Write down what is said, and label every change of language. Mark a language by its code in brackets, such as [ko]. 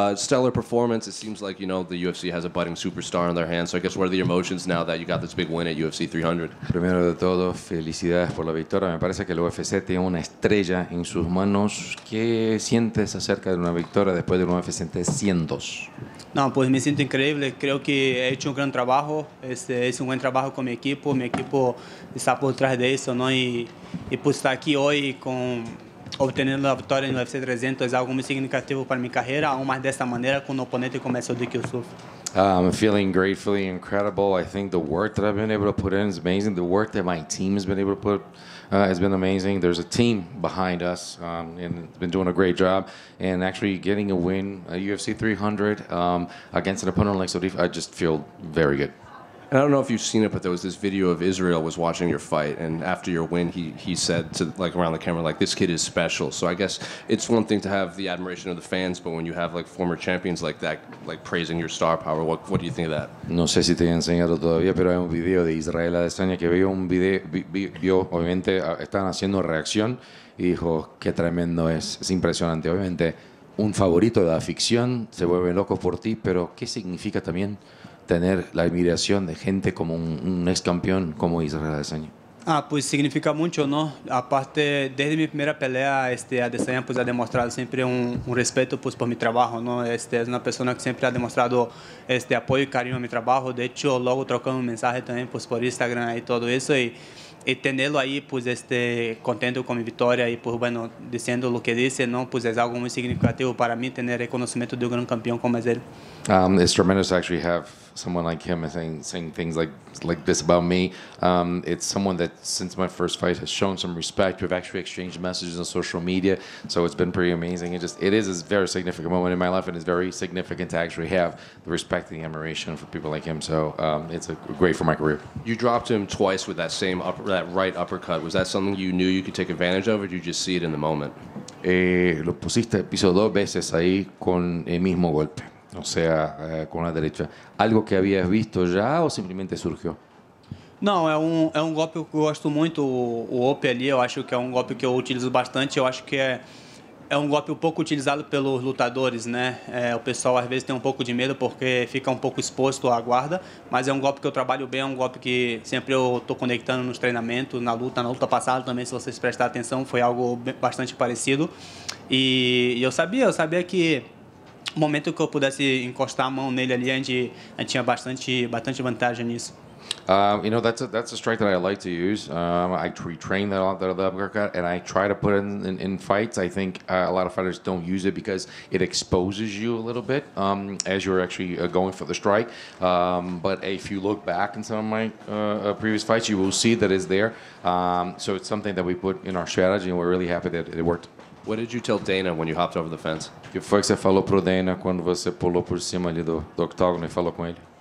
[en] Stellar performance. It seems like, you know, the UFC has a budding superstar on their hands. So I guess what are the emotions now that you got this big win at UFC 300? [es] Primero de todo, felicidades por la victoria. Me parece que el UFC tiene una estrella en sus manos. ¿Qué sientes acerca de una victoria después de un UFC 300? No, pues me siento increíble. Creo que he hecho un gran trabajo. Es un buen trabajo con mi equipo. Mi equipo está por detrás de eso, ¿no? Y pues está aquí hoy con... [pt] Obtenendo a vitória no UFC 300 é algo muito significativo para minha carreira, aún mais desta maneira, com um oponente como é o Dick Yusuf. [en] I'm feeling gratefully incredible. I think the work that I've been able to put in is amazing. The work that my team has been able to put has been amazing. There's a team behind us and it's been doing a great job. And actually getting a win at UFC 300 against an opponent like Sodif, I just feel very good. And I don't know if you've seen it, but there was this video of Israel was watching your fight, and after your win, he said to, like, around the camera, like, this kid is special. So I guess it's one thing to have the admiration of the fans, but when you have, like, former champions like that, like, praising your star power, what do you think of that? [es] No sé si te he enseñado todavía, pero hay un video de Israel Adesanya que vio un video, vio obviamente, están haciendo reacción, y dijo, qué tremendo es impresionante. Obviamente, un favorito de la ficción, se vuelve loco por ti, pero ¿qué significa también tener la admiración de gente como un ex campeón como Israel Adesanya? Ah, pues significa mucho, ¿no? Aparte, desde mi primera pelea, Adesanya pues ha demostrado siempre un respeto pues por mi trabajo, ¿no? Es una persona que siempre ha demostrado apoyo y cariño a mi trabajo. De hecho, luego trocando un mensaje también pues por Instagram y todo eso, y tenerlo ahí pues contento con mi victoria y pues bueno, diciendo lo que dice, ¿no? Pues es algo muy significativo para mí tener reconocimiento de un gran campeón como es él. [en] It's tremendous to actually have someone like him saying things like this about me. It's someone that, since my first fight, has shown some respect. We've actually exchanged messages on social media, so it's been pretty amazing. It is a very significant moment in my life, and it's very significant to actually have the respect and the admiration for people like him. So it's great for my career. You dropped him twice with that same that right uppercut. Was that something you knew you could take advantage of, or did you just see it in the moment? [es] Lo pusiste piso dos veces ahí con el mismo golpe. O sea, con la derecha. ¿Algo que habías visto ya o simplemente surgió? No, es un golpe que gosto mucho, el Ope allí. Yo acho que es un golpe que yo utilizo bastante. Yo acho que es un golpe un poco utilizado por los lutadores, ¿no? El pessoal a veces tiene un poco de miedo porque fica un poco expuesto a guarda. Pero es un golpe que yo trabajo bien, es un golpe que siempre yo estoy conectando en los entrenamientos, en la lucha pasada también, si ustedes prestaron atención, fue algo bastante parecido. Y yo sabía que [pt] no momento que eu pudesse encostar a mão nele ali, a gente tinha bastante vantagem nisso. [en] You know, that's a strike that I like to use. I retrain that a lot, the uppercut, and I try to put it in fights. I think a lot of fighters don't use it because it exposes you a little bit as you're actually going for the strike. But if you look back in some of my previous fights, you will see that it's there. So it's something that we put in our strategy, and we're really happy that it worked. What did you tell Dana when you hopped over the fence? [pt] Que foi que você falou pro Dana quando você pulou por cima ali do octógono e falou com ele?